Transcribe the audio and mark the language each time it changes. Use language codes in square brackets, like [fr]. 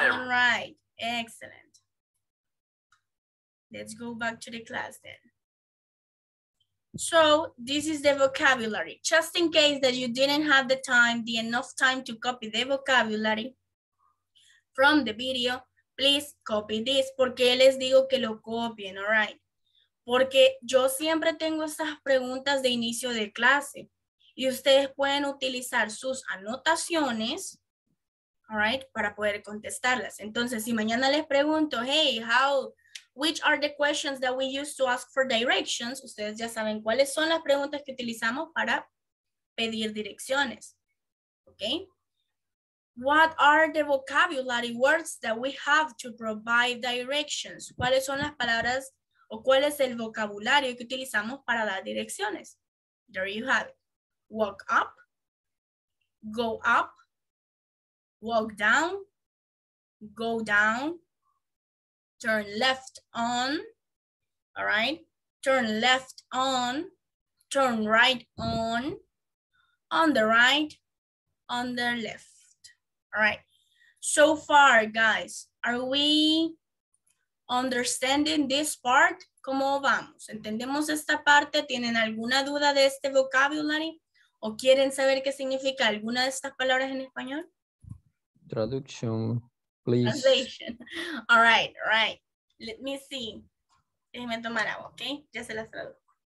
[en] everyone. All right, excellent. Let's go back to the class then. So this is the vocabulary. Just in case that you didn't have the time, the enough time to copy the vocabulary from the video, please copy this. [es] ¿Por qué les digo que lo copien? All right. Porque yo siempre tengo estas preguntas de inicio de clase y ustedes pueden utilizar sus anotaciones, all right, para poder contestarlas. Entonces, si mañana les pregunto, [en] hey, how... Which are the questions that we use to ask for directions? [es] Ustedes ya saben cuáles son las preguntas que utilizamos para pedir direcciones. [en] Okay. What are the vocabulary words that we have to provide directions? [es] ¿Cuáles son las palabras o cuál es el vocabulario que utilizamos para dar direcciones? [en] There you have it. Walk up. Go up. Walk down. Go down. Turn left on, all right? Turn left on, turn right on the right, on the left, all right? So far, guys, are we understanding this part? [es] ¿Cómo vamos? ¿Entendemos esta parte? ¿Tienen alguna duda de este vocabulary? ¿O quieren saber qué significa alguna de estas palabras en español? Traducción, please. [en] Translation. All right, all right. Let me see. [es] Déjeme tomar agua, ¿ok? Ya se las traduzco.